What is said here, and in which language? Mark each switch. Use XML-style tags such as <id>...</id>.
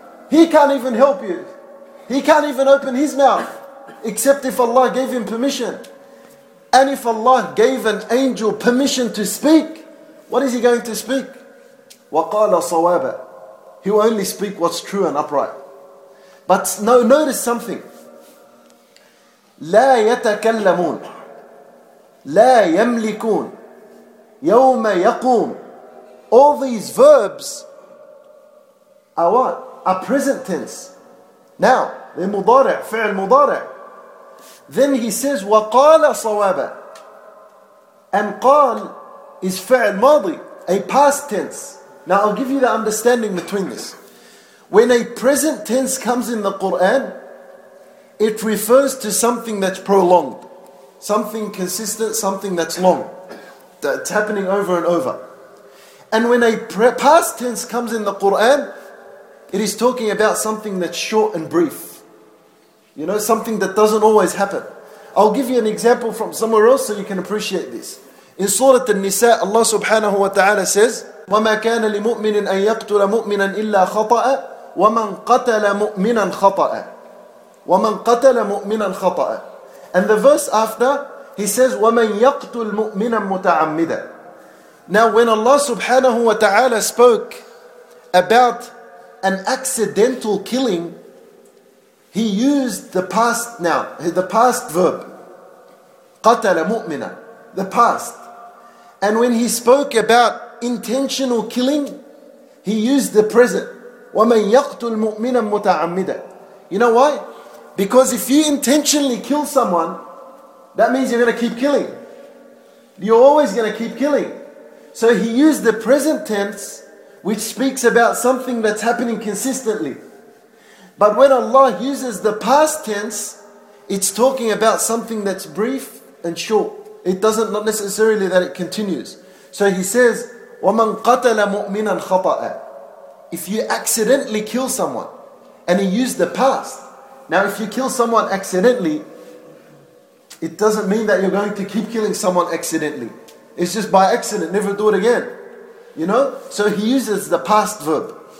<en>He can't even help you. He can't even open his mouth, except if Allah gave him permission. And if Allah gave an angel permission to speak, what is he going to speak?</en> <ar>وَقَالَ صَوَابًا.</ar> <en>He will only speak what's true and upright. But no, notice something.</en> <ar>لَا يَتَكَلَّمُونَ لا يملكون يوم يقوم.</ar> <en>All these verbs are what? Are present tense. Now, they're مضارع, فعل مضارع. Then he says, وقال صوابا. And قال is فعل ماضي, a past tense. Now I'll give you the understanding between this. When a present tense comes in the Quran, it refers to something that's prolonged. Something consistent, something that's long. That's happening over and over. And when a past tense comes in the Quran, it is talking about something that's short and brief. You know, something that doesn't always happen. I'll give you an example from somewhere else so you can appreciate this.</en> <ar>In Surah An-Nisa, Allah subhanahu wa ta'ala says, وَمَا كَانَ لِمُؤْمِنٍ أَن يَقْتُلَ مُؤْمِنًا إِلَّا خَطَأً وَمَنْ قَتَلَ مُؤْمِنًا خَطَأً وَمَنْ قَتَلَ مُؤْمِنًا خَطَأً.</ar> <en>And the verse after, he says, وَمَنْ يَقْتُلْ مُؤْمِنًا مُتَعَمِّدًا. Now when Allah subhanahu wa ta'ala spoke about an accidental killing, he used the past noun, the past verb. قَتَلَ مُؤْمِنًا. The past. And when he spoke about intentional killing, he used the present.</en> <ar>وَمَنْ يَقْتُلْ مُؤْمِنًا مُتَعَمِّدًا. You know why?</ar> <en>Because if you intentionally kill someone, that means you're going to keep killing. You're always going to keep killing. So he used the present tense, which speaks about something that's happening consistently. But when Allah uses the past tense, it's talking about something that's brief and short. It doesn't, not necessarily that it continues.</en> <ar>So he says, وَمَنْ قَتَلَ مُؤْمِنًا خَطَأً.</ar> <en>If you accidentally kill someone, and he used the past, now, if you kill someone accidentally, it doesn't mean that you're going to keep killing someone accidentally. It's just by accident, never do it again. You know? So he uses the past verb.</en>